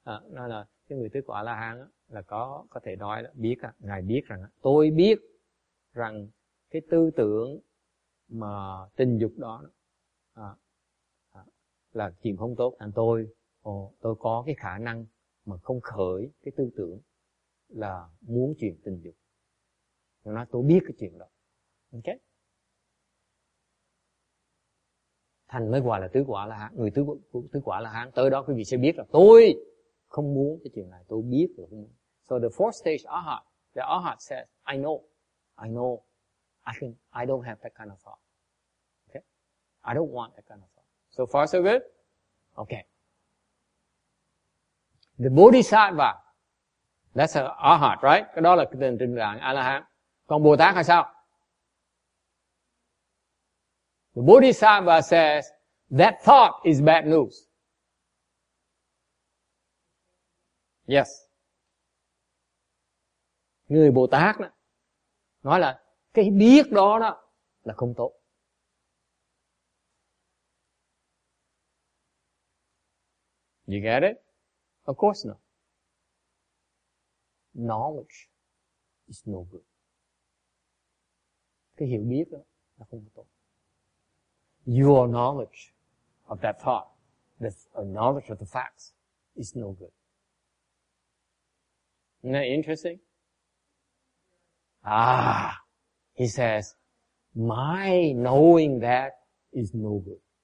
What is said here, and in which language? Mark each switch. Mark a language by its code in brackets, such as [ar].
[vi] Nó là cái người tức quả La Hán á, là có thể nói là biết à, ngài biết rằng tôi biết rằng cái tư tưởng mà tình dục đó là chuyện không tốt, thành tôi có cái khả năng mà không khởi cái tư tưởng là muốn chuyện tình dục. Nó nói tôi biết cái chuyện đó. Ok. Thành mới gọi là tứ quả La Hán, người tứ quả La Hán tới đó quý vị sẽ biết là tôi không muốn cái chuyện này, tôi biết là không muốn. [en] So the fourth stage Arhat, the Arhat says, I know, I don't have that kind of thought. Okay? I don't want that kind of thought. So far, so good? Okay. The Bodhisattva, that's an Arhat, right? [vi] Cái đó là cái tên trình dạng A-la-hán. Còn Bồ Tát hay sao? [en] The Bodhisattva says, that thought is bad news. Yes. [vi] Người Bồ Tát đó, nói là cái biết đó đó là không tốt. [en] You get it? Of course not. Knowledge is no good. [vi] Cái hiểu biết đó là không tốt. [en] Your knowledge of that thought, the knowledge of the facts, is no good. Isn't that interesting? He says, my knowing that is no good.